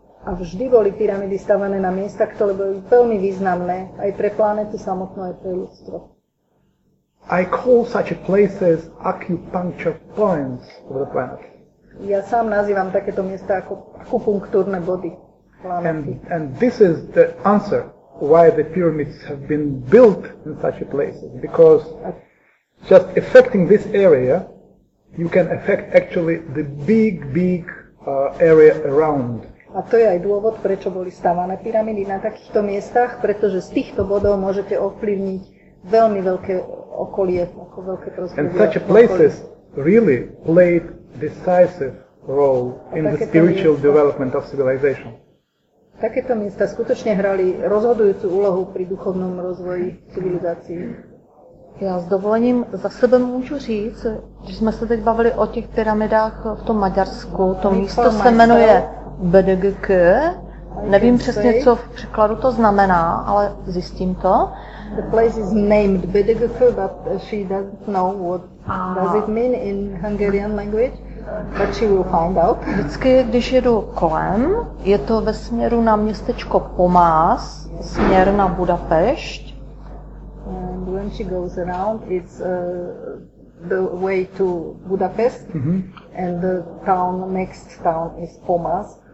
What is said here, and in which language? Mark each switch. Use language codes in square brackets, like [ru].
[sk] A vždy boli pyramidy stavané na miesta, ktoré boli veľmi významné aj pre planetu samotnú, aj pre ľudstvo. [en] I call such places acupuncture points of the planet. [sk] Ja sám nazývam takéto miesta ako akupunktúrne body planety. [en] And this is the answer why the pyramids have been built in such a places, because just affecting this area, you can affect actually the big area around. [sk] A to je aj dôvod, prečo boli stavané pyramidy na takýchto miestach, pretože z týchto bodov môžete ovplyvniť veľmi veľké okolie, ako veľké prostredie. [en] And such places really played decisive role in the spiritual development of civilization. [sk] Takéto miesta skutočne hrali rozhodujúcu úlohu pri duchovnom rozvoji civilizácií. [cs] Já s dovolením za sebe můžu říct, že jsme se teď bavili o těch pyramidách v tom Maďarsku. To místo se jmenuje BDGK. Nevím přesně, co v překladu to znamená, ale zjistím to. [en] The place is named BDGK, but she doesn't know what does it mean in Hungarian language, but she will find out. [cs] Vždycky, když jedu kolem, je to ve směru na městečko Pomás, směr na Budapešť. [en] When she goes around, it's the way to Budapest, mm-hmm. And the town, next town is Pomas.